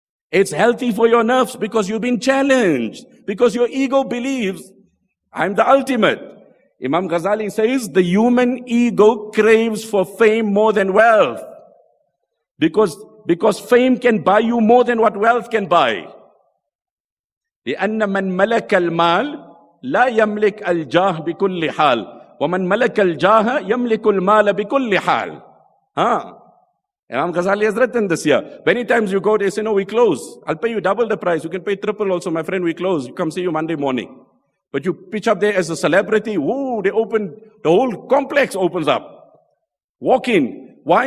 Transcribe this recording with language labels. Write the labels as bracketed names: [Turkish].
[English] It's healthy for your nerves because you've been challenged. Because your ego believes, I'm the ultimate. Imam Ghazali says, the human ego craves for fame more than wealth. Because fame can buy you more than what wealth can buy. [Arabic] لأن من ملك المال لا يملك الجاه بكل حال، ومن ملك الجاه يملك المال بكل حال. [English] ها Imam Ghazali has written this year. Many times you go, they say, no, we close. I'll pay you double the price. You can pay triple also, my friend, we close. You come see you Monday morning. But you pitch up there as a celebrity. Ooh, they open, the whole complex opens up. Walk in. Why?